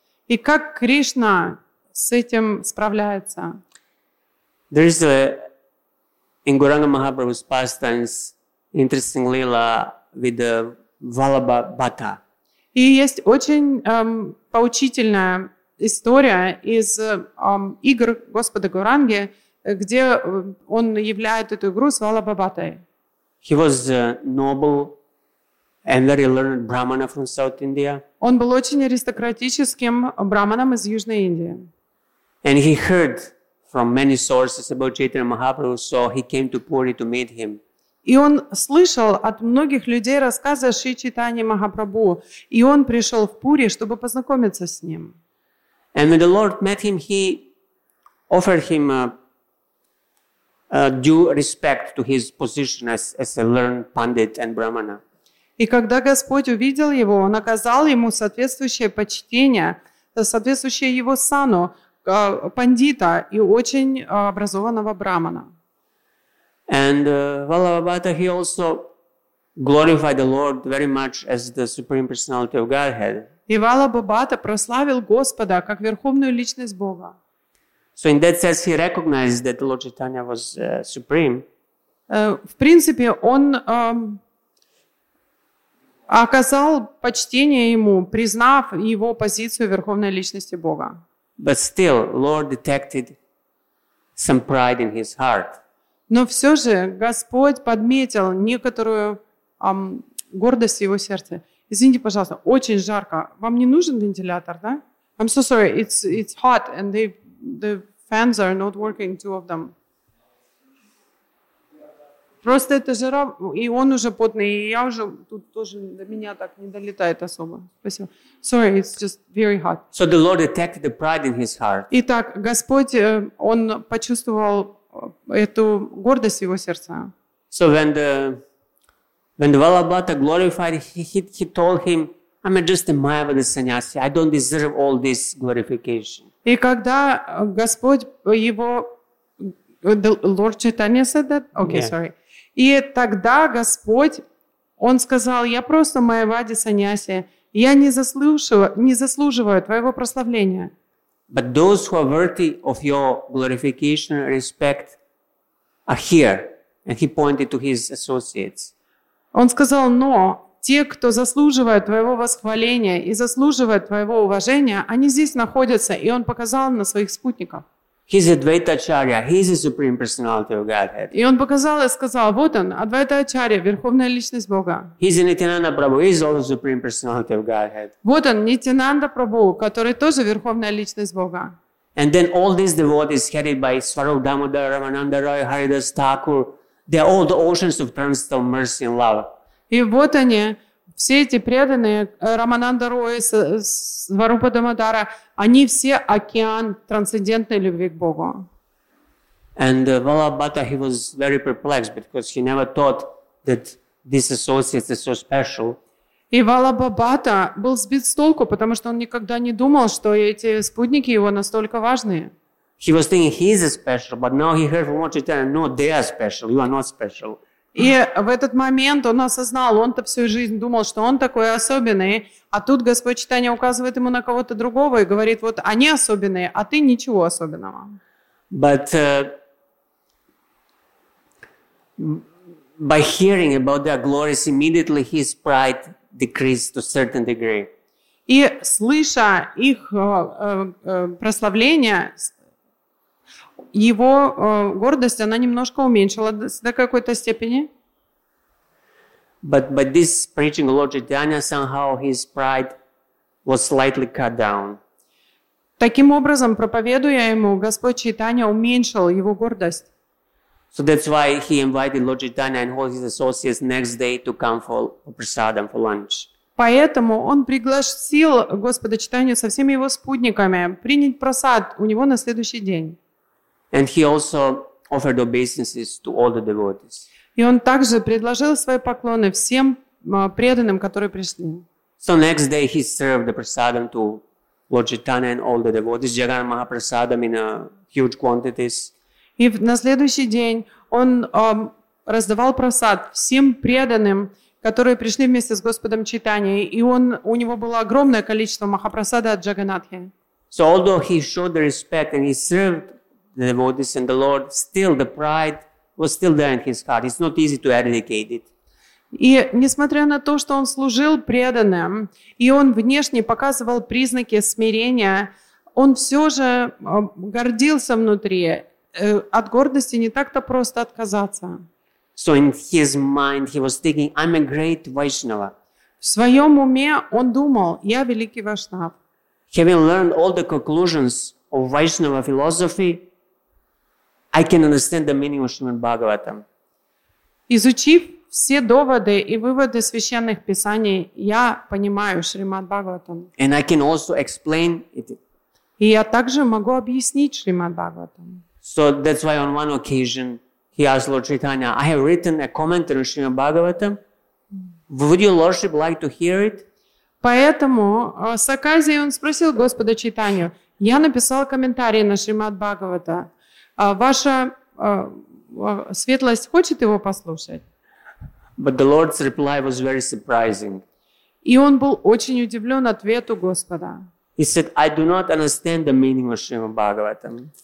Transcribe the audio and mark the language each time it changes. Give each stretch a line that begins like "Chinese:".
Russian: И как Кришна с этим справляется?
English: There is a, in Gauranga Mahaprabhu's pastimes, interesting lila with the Vallabha Bhatta.
Russian: И есть очень поучительная история из игр Господа Гуранги, где он являет эту игру с Валлабха Бхаттой.
English: He was a noble and very learned brahmana from South India.
Russian: Он был очень аристократическим брахманом из Южной Индии.
English: And he heard from many sources about Chaitanya Mahaprabhu, so he came to Puri to meet him.
Russian: И он слышал от многих людей рассказы о Шри Чайтанье Махапрабху, и он пришел в Пури, чтобы познакомиться с ним.
English: And when the Lord met him, he offered him due respect to his position as a learned pandit and brahmana.
Russian: И когда Господь увидел его, он оказал ему соответствующее почтение, соответствующее его сану пандита и очень образованного брахмана.
English: And Vallabha Bhatta, he also glorified the Lord very much as the Supreme Personality of Godhead.
Russian: И Vallabha Bhatta прославил Господа как верховную личность Бога.
English: So in that sense, he recognized that Lord Chaitanya was supreme.
Russian: В принципе, он оказал почтение ему, признав его позицию верховной личности Бога.
English: But still, Lord detected some pride in his heart.
Russian: Но все же Господь подметил некоторую гордость в его сердце. Извините, пожалуйста, очень жарко. Вам не нужен вентилятор, да?
English: I'm so sorry, it's hot and the fans are not working, two of them.
Russian: Просто это жара, и он уже потный, и я уже тут тоже до меня так не долетает особо. Спасибо.
English: Sorry, it's just very hot. So the Lord detected the pride in his heart.
Russian: Итак, Господь, он почувствовал эту гордость его сердца.
English: So when the Vallabha Bhatta glorified, he told him, I'm just a mayavada sannyasi. I don't deserve all this glorification.
Russian: И когда Господь его,
English: the Lord Chaitanya said that? Okay, yeah. Sorry.
Russian: И тогда Господь, он сказал, я просто майавади саньяси, я не заслуживаю твоего прославления.
English: But those who are worthy of your glorification and respect are here. And he pointed to his associates.
Russian: Он сказал, но те, кто заслуживает твоего восхваления и заслуживает твоего уважения, они здесь находятся, и он показал на своих спутников.
English: He's Advaita Acharya. He's the Supreme Personality of Godhead.
Russian: И он показал и сказал, вот он, Advaita Acharya, Верховная Личность Бога.
English: He's Nityananda Prabhu. He's also the Supreme Personality of Godhead.
Russian: Вот он, Nityananda Prabhu, который тоже Верховная Личность Бога.
English: And then all these devotees headed by Swarup Damodara, Ramananda Roy, Haridas Thakur, they're all the oceans of transcendental mercy and love.
Russian: И вот они, все эти преданные, Рамананда Рой, Сварупа Дамодара, они все океан трансцендентной любви к Богу.
English: And Vallabha Bhatta, he was very perplexed because he never thought that these associates are so special.
Russian: И Vallabha Bhatta был сбит с толку, потому что он никогда не думал, что эти спутники его настолько важны.
English: He was thinking he's special, but now he heard from Chaitanya, no, they are special, you are not special.
Russian: И в этот момент он осознал, он-то всю жизнь думал, что он такой особенный, а тут Господь Читания указывает ему на кого-то другого и говорит, вот они особенные, а ты ничего особенного.
English: But by hearing about their glories, immediately his pride decreased to a certain degree.
Russian: И слыша их прославление, его гордость, она немножко уменьшилась до какой-то степени.
English: But by this preaching of Lord Chaitanya, somehow his pride was slightly cut down.
Russian: Таким образом, проповедуя ему, Господь Чайтанья уменьшил его гордость.
English: So that's why he invited Lord Chaitanya and all his associates next day to come for prasadam for lunch.
Russian: Поэтому он пригласил Господа Чайтанью со всеми его спутниками принять просад у него на следующий день.
English: And he also offered obeisances to all the devotees.
Russian: И он также предложил свои поклоны всем преданным, которые пришли.
English: So next day he served the prasadam to Lord Chaitanya and all the devotees, Jagan Mahaprasadam in huge quantities.
Russian: И на следующий день он раздавал просад всем преданным, которые пришли вместе с Господом Чайтанья, и он, у него было огромное количество Махапрасада от Джаганатхи.
English: So although he showed the respect and he served the devotees and the Lord, still the pride was still there in his heart. It's not easy to eradicate it.
Russian: И несмотря на то, что он служил преданным, и он внешне показывал признаки смирения, он все же гордился внутри. От гордости не так-то просто отказаться.
English: So in his mind he was thinking, I'm a great Vaishnava.
Russian: В своем уме он думал, я великий Вайшнав.
English: Having learned all the conclusions of Vaishnava philosophy, I can understand the meaning of Srimad Bhagavatam.
Russian: Изучив все доводы и выводы священных писаний, я понимаю Шримад Бхагаватам.
English: And I can also explain it.
Russian: И я также могу объяснить Шримад Бхагаватам.
English: So that's why on one occasion he asked Lord Chaitanya, I have written a commentary on Srimad Bhagavatam. Would your lordship like to hear it?
Russian: Поэтому с оказией он спросил Господа Чайтанью, я написал комментарий на Шримад Бхагавата. Ваша светлость хочет его послушать?
English: But the Lord's reply was very surprising.
Russian: И он был очень удивлен ответу Господа.
English: He said, I do not understand the meaning of Srimad Bhagavatam.